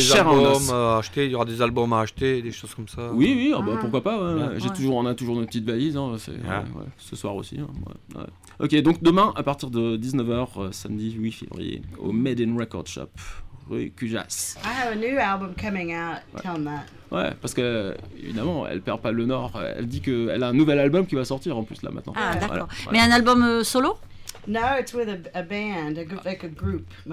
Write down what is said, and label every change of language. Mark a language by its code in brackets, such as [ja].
[fr] Il y aura des albums à acheter, des choses comme ça. Oui, ah. Bah, pourquoi pas, ouais. On a toujours nos petites valises, hein, ce soir aussi. Hein, ouais. Ok, donc demain, à partir de 19h, samedi 8 février, au Maiden Records Shop, rue Cujas. [en] I have a new album coming out, tell me that. [fr] Ouais, parce que évidemment, elle perd pas le nord. Elle dit que elle a un nouvel album qui va sortir en plus là maintenant. Ah d'accord. Voilà. Mais un album solo? [en] No, it's with a band, like a group.